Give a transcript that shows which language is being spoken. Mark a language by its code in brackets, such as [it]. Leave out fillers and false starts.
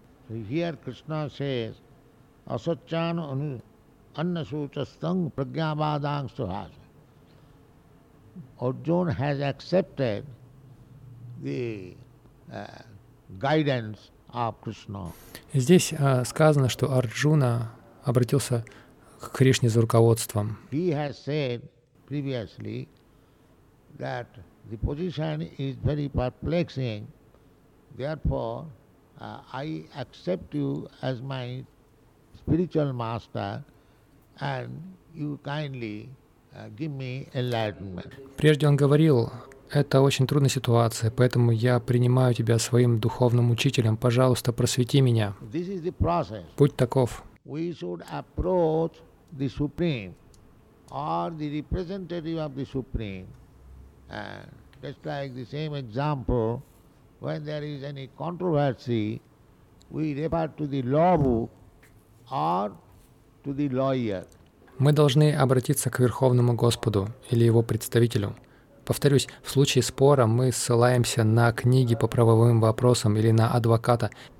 [en] Here Krishna says, [sa] Asachan anu Annasuchastang Pragyabhadang Suhas. [en] Arjuna has accepted the guidance of Krishna. [ru] Здесь сказано, что Арджуна обратился к Кришне за руководством. [en] He has said previously that the position is very perplexing. Therefore, I accept you as my spiritual master. And you kindly give me enlightenment. [ru] Прежде он говорил, это очень трудная ситуация, поэтому я принимаю тебя своим духовным учителем, пожалуйста, просвети меня. [en] This is the process. [ru] Путь таков. [en] We should approach the Supreme or the representative of the Supreme. And just like the same example, when there is any controversy, we refer to the law book or to the lawyer. [ru] Мы должны обратиться к Верховному Господу или Его представителю. Повторюсь, в случае спора мы ссылаемся на книги по правовым вопросам или на адвоката.